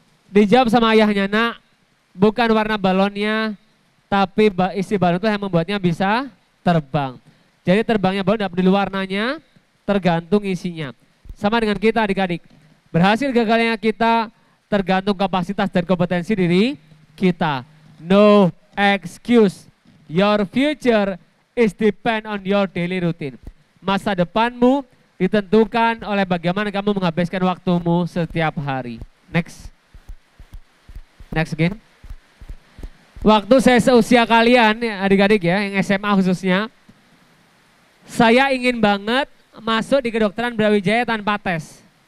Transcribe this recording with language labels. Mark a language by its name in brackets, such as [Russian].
[Indonesian] Dijawab sama ayahnya, Nak, bukan warna balonnya, tapi isi balon itu yang membuatnya bisa terbang. Jadi terbangnya balon tidak peduli warnanya, tergantung isinya. Sama dengan kita adik-adik, berhasil gagalnya kita tergantung kapasitas dan kompetensi diri kita. [English] No excuse, your future is depend on your daily routine. [Indonesian] Masa depanmu ditentukan oleh bagaimana kamu menghabiskan waktumu setiap hari. [English] Next again. [Indonesian] Waktu saya seusia kalian adik-adik ya, yang SMA khususnya, saya ingin banget masuk di kedokteran Brawijaya tanpa tes.